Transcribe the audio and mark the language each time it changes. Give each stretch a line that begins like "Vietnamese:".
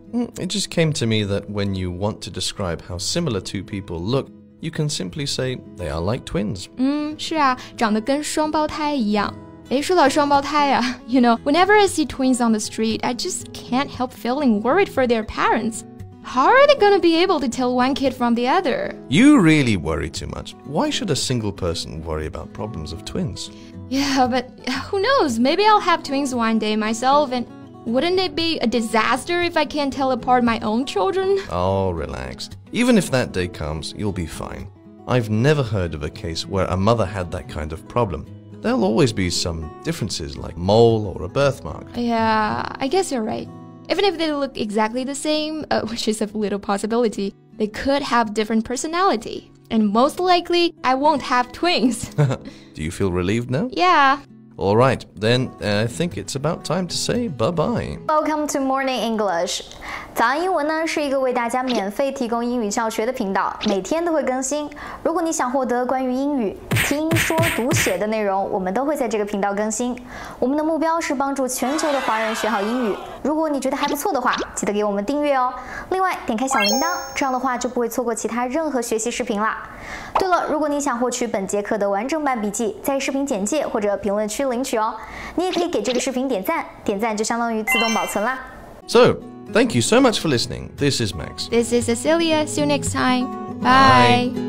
English: It just came to me that when you want to describe how similar two people look, you can simply say they are like twins.
Chinese: 是啊，长得跟双胞胎一样。诶说到双胞胎啊
English: you know, whenever I see twins on the street, I just can't help feeling worried for their parents. How are they gonna be able to tell one kid from the other? You really worry too much. Why should a single person worry about problems of twins? Yeah, but who knows, maybe I'll have twins one day myself, and wouldn't it be a disaster if I can't tell apart my own children? Oh, relax. Even if that day comes, you'll be fine. I've never heard of a case where a mother had that kind of problem. There'll always be some differences, like mole or a birthmark. Yeah, I guess you're right. Even if they look exactly the same, which is a little possibility, they could have different personality. And most likely, I won't have twins. Do you feel relieved now? Yeah. All right, then I think it's about time to say bye-bye. Welcome to Morning English.
Chinese: 早安英文呢是一个为大家免费提供英语教学的频道，每天都会更新。如果你想获得关于英语听说读写的内容，我们都会在这个频道更新。我们的目标是帮助全球的华人学好英语。如果你觉得还不错的话，记得给我们订阅哦。另外，点开小铃铛，这样的话就不会错过其他任何学习视频啦。对了，如果你想获取本节课的完整版笔记，在视频简介或者评论区领取哦。你也可以给这个视频点赞，点赞就相当于自动保存啦。
English: So, thank you so much for listening. This is Max. This is Cecilia. See you next time. Bye. Bye.